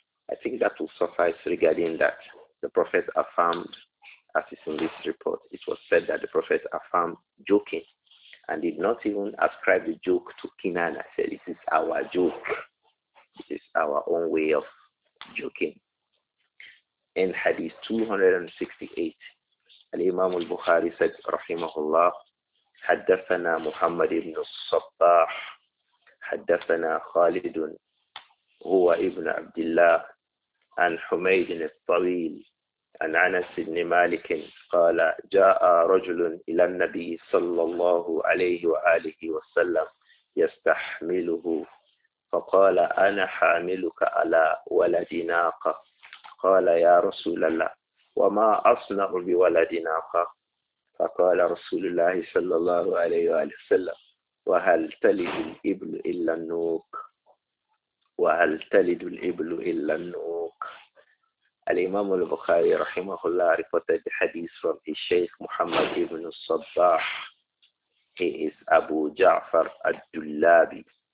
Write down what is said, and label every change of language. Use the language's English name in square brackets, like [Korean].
[English] I think that will suffice regarding that. The Prophet affirmed, as is in this report, it was said that the Prophet affirmed joking and did not even ascribe the joke to Kinana. He said, this is our joke. This is our own way of joking. In Hadith 268, Al-Imam al-Bukhari said, Rahimahullah, [Arabic] حدثنا محمد بن الصباح حدثنا خالد هو ابن عبد الله عن حميد الطويل عن أنس بن مالك قال جاء رجل إلى النبي صلى الله عليه وآله وسلم يستحمله فقال أنا حاملك على ولد ناقة قال يا رسول الله وما أصنع بولد ناقة فقال رسول الله صلى الله عليه وآله وسلم وهل تلد الإبل إلا النوق وهل تلد الإبل إلا النوق الإمام البخاري رحمه الله [English] reported the hadith from his Sheikh Muhammad ibn al-Sabbah. He is Abu Ja'far al-Dulabi.